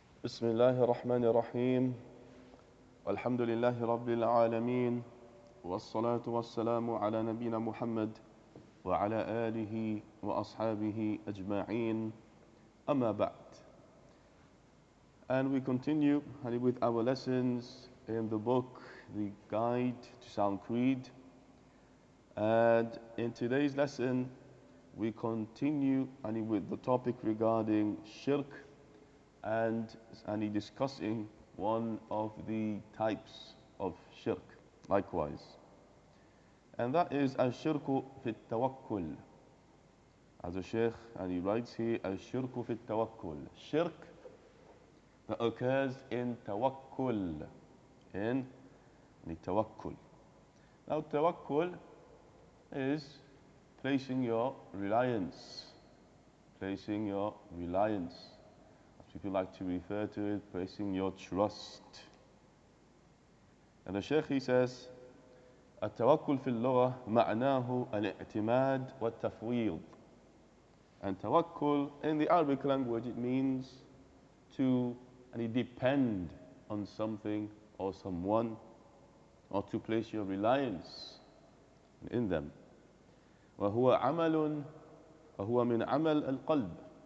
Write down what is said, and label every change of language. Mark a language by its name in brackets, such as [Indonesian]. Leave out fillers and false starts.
[Arabic] بسم الله الرحمن الرحيم والحمد لله رب العالمين والصلاة والسلام على نبينا محمد وعلى آله وأصحابه أجمعين أما بعد. [English] And we continue with our lessons in the book The Guide to Sound Creed. And in today's lesson we continue with the topic regarding shirk and discussing one of the types of shirk likewise. And that is al-shirku fi al-tawakkul. As the Shaykh he writes here, al-shirku fi al-tawakkul. Shirk that occurs in tawakkul. In the tawakkul. Now tawakkul is placing your reliance. People like to refer to it, placing your trust. And the Shaykh, he says, [Arabic] التوكل في اللغة معناه الاعتماد والتفويض. [English] And توكل in the Arabic language, it means to depend on something or someone, or to place your reliance in them. [Arabic] وهو من عمل القلب.